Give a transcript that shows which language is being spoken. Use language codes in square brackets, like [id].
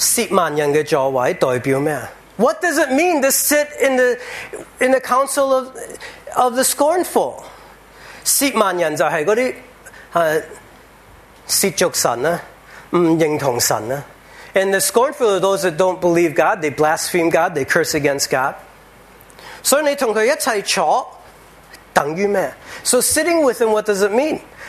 [zh] 因为坐涉万人的座位代表什么? [en] What does it mean to sit in the council of the scornful? [zh] 涉万人就是那些亵渎神，不认同神。 [en] And the scornful are those that don't believe God, they blaspheme God, they curse against God. [zh] 所以你跟他一起坐，等于什么? [en] So sitting with him, what does it mean?